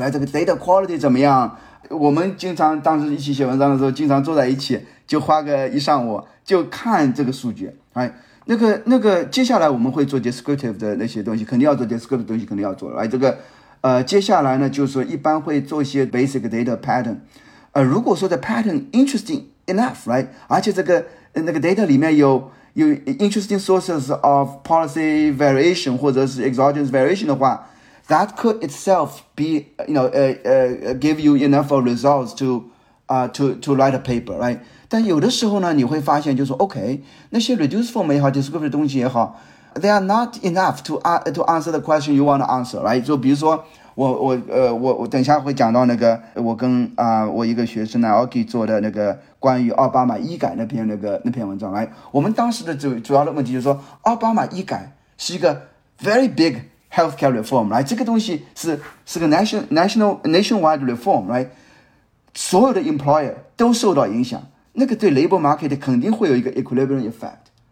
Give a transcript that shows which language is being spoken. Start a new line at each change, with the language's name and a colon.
Chinese: 来，这个 data quality 怎么样？我们经常当时一起写文章的时候，经常坐在一起，就花个一上午，就看这个数据。哎，那个，接下来我们会做 descriptive 的那些东西，肯定要做 descriptive 的东西，肯定要做。来，这个，接下来呢，就是说一般会做一些 basic data pattern。如果说的 pattern interesting enough， right？ 而且这个那个 data 里面有
English: interesting sources of policy variation
Chinese: 或者是 exogenous variation 的话。
English: That could itself be, you know, give you enough of results to write a paper, right?
Chinese: 但有的时候呢，你会发现就是 OK， 那些
English: reduced form
Chinese: 也好 ，descriptive 的东西也好
English: ，they are not enough to answer the question you want to answer, right?
Chinese: 就比如说我等一下会讲到那个我跟我一个学生呢 ，Oki 做的那个关于奥巴马医改那篇文章，来，我们当时的主要的问题就是说，奥巴马医改是一个 very big。 Healthcare reform， 来，这个东西是个 nationwide reform， 来，所有的 employer 都受到影响，那个对 labor market 肯定会有一个 equilibrium effect。